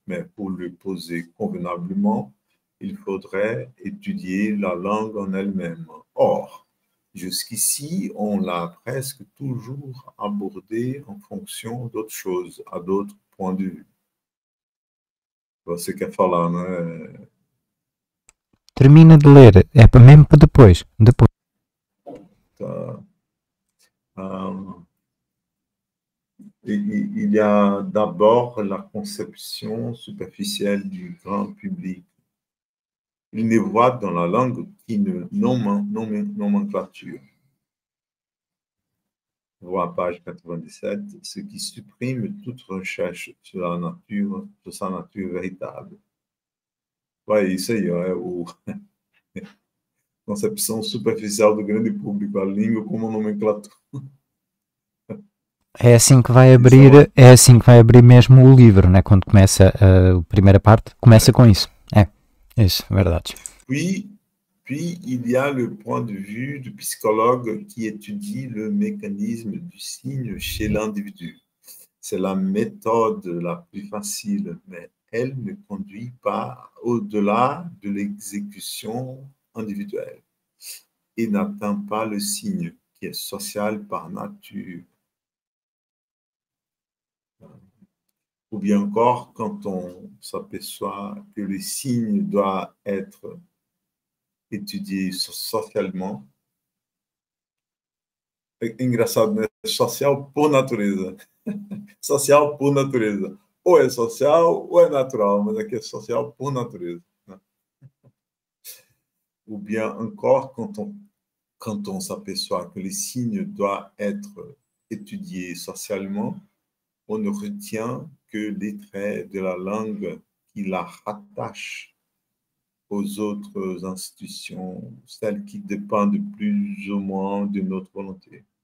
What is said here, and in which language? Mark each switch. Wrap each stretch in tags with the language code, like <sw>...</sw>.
<fr>Mais pour le poser convenablement, il faudrait étudier la langue en elle-même. Or, jusqu'ici, on l'a presque toujours abordé en fonction d'autres choses, à d'autres points de vue.</fr> <pt>Você quer falar, né? Termina de ler, é mesmo para depois. Depois. Tá.</pt> <fr>Il y a d'abord la conception superficielle du grand public. Il ne voit dans la langue qu'une nomenclature. Voir page 97, ce qui supprime toute recherche sur la nature, sur sa nature véritable. Oui,</fr> <pt>isso aí,</pt> <fr>ouais, o... conception superficielle du grand public, la langue comme nomenclature.</fr> <pt>É assim que vai abrir, é assim que vai abrir mesmo o livro, né? Quando começa a primeira parte, começa com isso. Isso, verdade.</pt> <fr>Puis il y a le point de vue du psychologue qui étudie le mécanisme du signe chez l'individu. C'est la méthode la plus facile, mais elle ne conduit pas au-delà de l'exécution individuelle et n'atteint pas le signe qui est social par nature. Ou bien encore, quand on s'aperçoit que le signe doit être étudié socialement.</fr> <pt>Engraçado, né? Social por natureza. Social por natureza. Ou é social ou é natural, mas aqui é social por natureza.</pt> <fr>Ou bien encore, quand on s'aperçoit que le signe doit être étudié socialement, on ne retient que les traits de la langue qui la rattache aux autres institutions, celles qui dépendent plus ou moins de notre volonté.</fr>